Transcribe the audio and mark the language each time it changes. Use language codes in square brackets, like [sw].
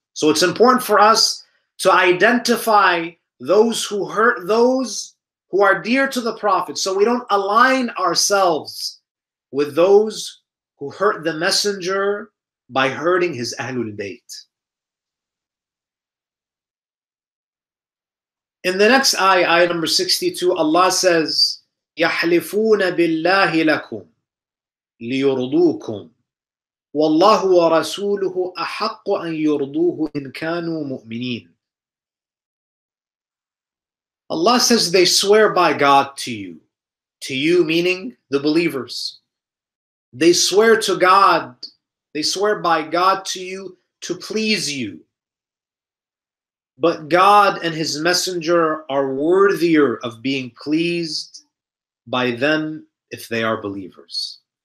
[en] So it's important for us to identify those who hurt those who are dear to the Prophet, so we don't align ourselves with those who hurt the Messenger by hurting his Ahlul Bayt. In the next ayah, ayah number 62, Allah says, [ar] يَحْلِفُونَ بِاللَّهِ لَكُمْ لِيُرْضُوكُمْ وَاللَّهُ وَرَسُولُهُ أَحَقُّ أَن يُرْضُوهُ إِن كَانُوا مُؤْمِنِينَ. [en] Allah says they swear by God to you meaning the believers. They swear to God, they swear by God to you to please you. But God and His Messenger are worthier of being pleased by them if they are believers.